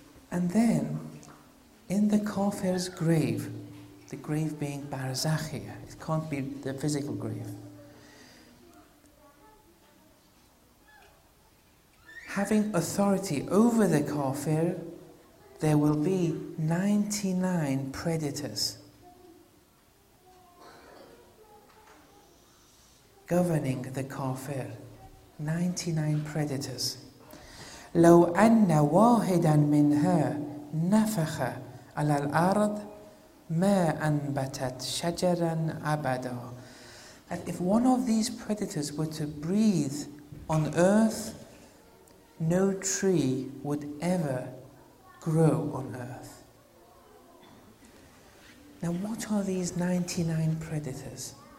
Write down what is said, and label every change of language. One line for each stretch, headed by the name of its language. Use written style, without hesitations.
English: And then, in the kafir's grave, the grave being barzakh, it can't be the physical grave, having authority over the kafir, there will be 99 predators governing the kafir. 99 predators.
Arabic: لو أن واحدا منها نفخ على الأرض ما أنبتت شجرا أبدا.
English: That if one of these predators were to breathe on earth, no tree would ever grow on earth. Now what are these 99 predators?